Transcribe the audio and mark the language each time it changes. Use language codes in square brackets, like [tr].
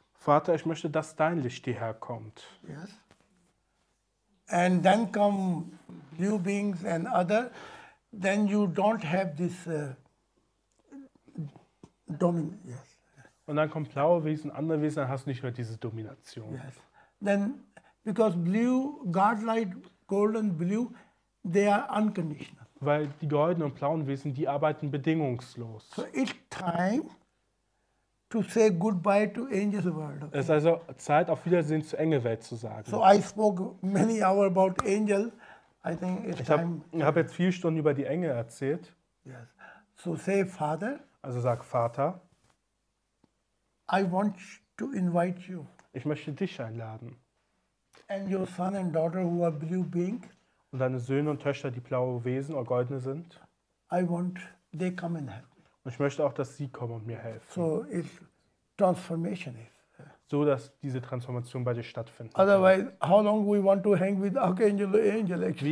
[de] Vater, ich möchte, dass dein Licht hierher kommt. [en] Yes. And then come new beings and other. Then you don't have this dominance. Yes. [de] Und dann kommen blaue Wesen, andere Wesen, dann hast du nicht mehr diese Domination. [en] Yes. Then, because blue, God-like, golden, blue, they are unconditional. [de] Weil die goldenen und blauen Wesen, die arbeiten bedingungslos. [en] So it's time to say goodbye to angels world. [de] Okay? Es ist also Zeit, auf Wiedersehen zur Engelwelt zu sagen. [en] So I spoke many hours about angels. I think it's time. [de] Ich habe jetzt 4 Stunden über die Engel erzählt. [en] Yes. So say Father. [de] Also sag Vater. [en] I want to invite you. [de] Ich möchte dich einladen. [en] And your son and daughter who are blue being. [de] Und deine Söhne und Töchter, die blaue Wesen oder goldene sind. [en] I want they come and help. [de] Und ich möchte auch, dass sie kommen und mir helfen. [en] So if transformation is. [de] So dass diese Transformation bei dir stattfindet. [en] Otherwise, how long we want to hang with Archangel Angel? Actually?